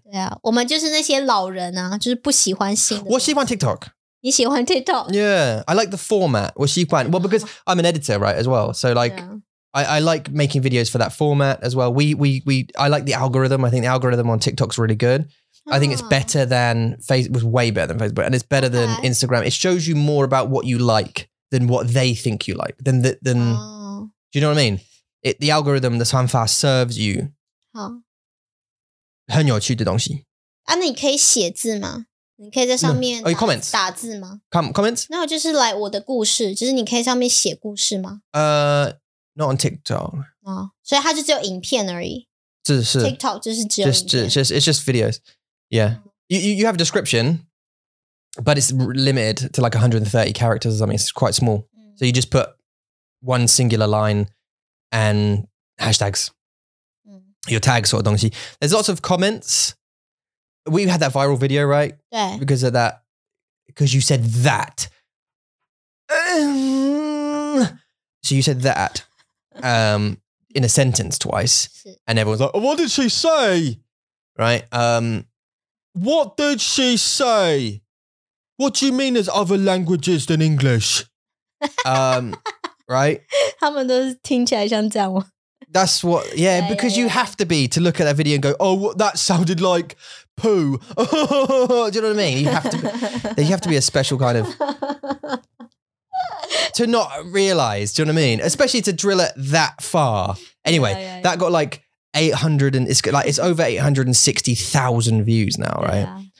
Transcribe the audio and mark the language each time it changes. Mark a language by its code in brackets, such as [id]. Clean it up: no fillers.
[zh] 对啊，我们就是那些老人啊，就是不喜欢新的。我喜欢 TikTok。你喜欢 TikTok? [en] Yeah, I like the format. [zh] 我喜欢。 [en] Well, because I'm an editor, right, as well. So like, I like making videos for that format as well. I like the algorithm. I think the algorithm on TikTok's really good. I think it's better than Facebook. It was way better than Facebook. And it's better than Instagram. It shows you more about what you like than what they think you like. Do you know what I mean? The algorithm, the 算法 serves you. [zh] 好，很有趣的东西。啊，那你可以写字吗？你可以在上面有 [en] comments [zh] 打字吗 [en] ？Comments？ [zh] 那就是来我的故事，就是你可以上面写故事吗？ [en] Not on TikTok。 [zh] 哦，所以它就只有影片而已。是 TikTok 就是只有影片 [en] just it's just videos. Yeah, you have a description, but it's limited to like 130 characters or something. It's quite small, so you just put one singular line and hashtags. Your tag sort of 东西.There's lots of comments. We had that viral video, right? Yeah. Because of that. Because you said that. So you said that in a sentence twice. And everyone's like, oh, what did she say? Right? What did she say? What do you mean there's other languages than English? right? [zh] 他们都是听起来像这样吗? [en] That's what, yeah, yeah because yeah, yeah. You have to be to look at that video and go, oh, what, that sounded like poo. Do you know what I mean? You have to be a special kind of, to not realize, do you know what I mean? Especially to drill it that far. Anyway, that got like 800 and it's over 860,000 views now, right?